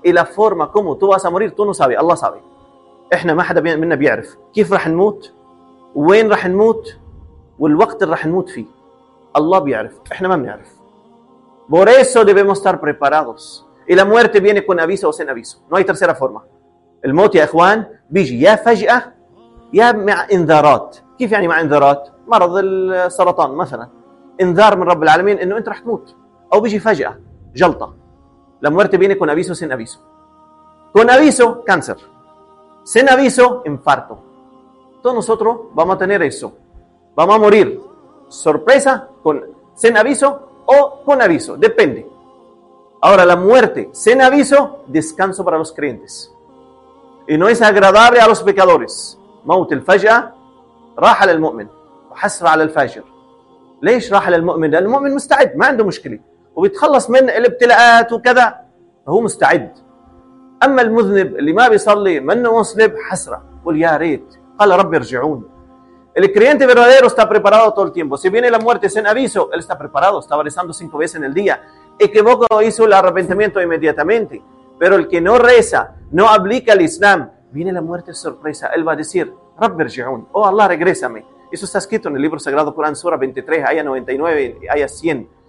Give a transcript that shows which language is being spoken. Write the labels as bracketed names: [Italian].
[Spanish] Y la forma como tú vas a morir, tú no sabes. Allah sabe. [Arabic] احنا ما حدا منا بيعرف كيف راح نموت وين راح نموت والوقت اللي راح نموت فيه. Allah بيعرف. احنا ما بنعرف. [Spanish] Por eso debemos estar preparados. Y la muerte viene con aviso o sin aviso. No hay tercera forma. [Arabic] El موت يا اخوان بيجي يا فجأة يا مع انذارات. كيف يعني مع انذارات؟ مرض السرطان مثلا، انذار من رب العالمين انه انت رح تموت، او بيجي فجأة جلطة. [Spanish] La muerte viene con aviso, sin aviso. Con aviso, cáncer. Sin aviso, infarto. Todos nosotros vamos a tener eso. Vamos a morir. sorpresa, con, sin aviso o con aviso, depende. Ahora, la muerte sin aviso, descanso para los creyentes. Y no es agradable a los pecadores. [Arabic] موت الفجأة راح على المؤمن وحسرة على الفاجر. ليش راح على المؤمن؟ لأن المؤمن مستعد، ما عنده مشكلة، وبيتخلص من الابتلاءات وكذا، فهو مستعد. أما المذنب اللي ما بيصلي منه مصلب، حسرة، قل يا ريت، قال ربي ارجعون. [Spanish] الكريانتي verdadero está preparado todo el tiempo. Si viene la muerte sin aviso, él está preparado, estaba rezando 5 veces en el día. Equivoco hizo el arrepentimiento inmediatamente. Pero el que no reza, no aplica el Islam, viene la muerte sorpresa. Él va a decir, [Arabic] Rabbi irji'un, [Spanish] oh Allah, regrésame. Eso está escrito en el libro sagrado Corán, sura 23, ayah 99, ayah 100.